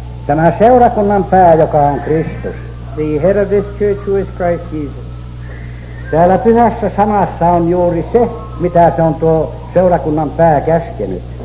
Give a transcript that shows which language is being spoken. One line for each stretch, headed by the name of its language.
Finnish: Tämä seurakunnan pää, joka on Kristus.
English: The head of this church, who is Christ Jesus.
Finnish: Täällä pyhässä sanassa on juuri se, mitä se on tuo seurakunnan pää käskenyt.